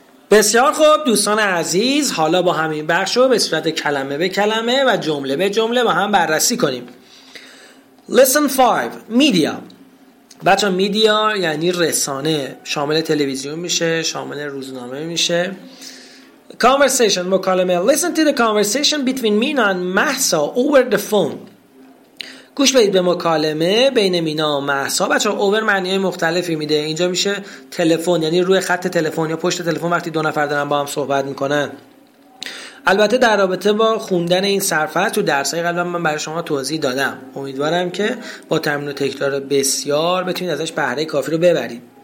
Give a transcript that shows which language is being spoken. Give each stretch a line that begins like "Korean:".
Persian: بسیار خوب دوستان عزیز، حالا با همین بخش رو به صورت کلمه به کلمه و جمله به جمله با هم بررسی کنیم.
English: Lesson 5 Media.
Persian: بچه ها میدیا یعنی رسانه، شامل تلویزیون میشه، شامل روزنامه میشه. Conversation مکالمه.
English: Listen to the conversation between Mina and Mahsa over the phone.
Persian: گوش بدید به مکالمه بین مینا و مهسا. بچه ها over معنی های مختلفی میده. اینجا میشه تلفن، یعنی روی خط تلفن یا پشت تلفن وقتی دو نفر دارن با هم صحبت میکنن. البته در رابطه با خوندن این سرفصل تو درسای قبل من برای شما توضیح دادم، امیدوارم که با تمرین و تکرار بسیار بتونید ازش بهره کافی رو ببرید.